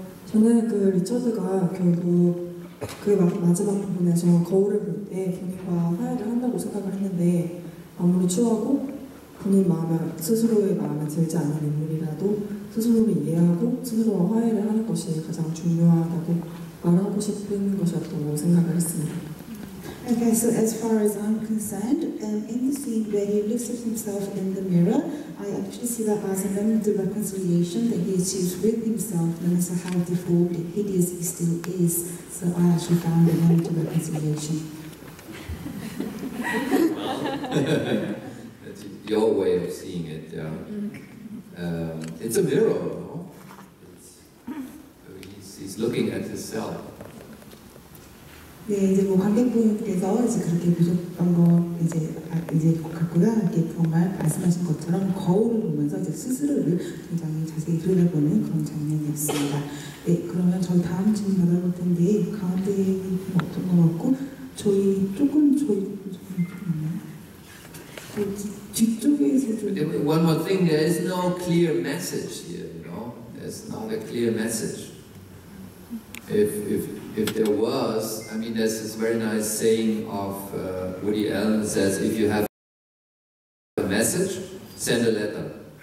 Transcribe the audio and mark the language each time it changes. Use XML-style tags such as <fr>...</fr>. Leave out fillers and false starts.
<ko>저는 그 리처드가 결국 그 마지막 부분에서 거울을 볼 때 본인과 화해를 한다고 생각을 했는데 아무리 추하고 본인 마음에 스스로의 마음에 들지 않는 인물이라도 스스로를 이해하고 스스로와 화해를 하는 것이 가장 중요하다고 말하고 싶은 것이었다고 생각을 했습니다.</ko> <en>Okay, so as far as I'm concerned, in the scene where he looks at himself in the mirror, I actually see that as a moment of reconciliation that he achieves with himself, no matter how deformed and hideous he still is. So I actually found a moment of reconciliation. That's your way of seeing it, yeah. It's a mirror, no? He's looking at his cell.</en> <ko>네, 이제 뭐 관객분께서 이제 그렇게 보셨던 거 이제 이제 같고요. 이렇게 정말 말씀하신 것처럼 거울을 보면서 이제 스스로를 굉장히 자세히 들여다보는 그런 장면이었습니다. 네, 그러면 저희 다음 질문 받아볼 텐데 가운데 어떤 거 같고 저희 조금 저희</ko> <en>One more thing, there is no clear message here, you know? There's not a clear message. If there was, I mean, there's this very nice saying of Woody Allen says, if you have a message, send a letter.</en>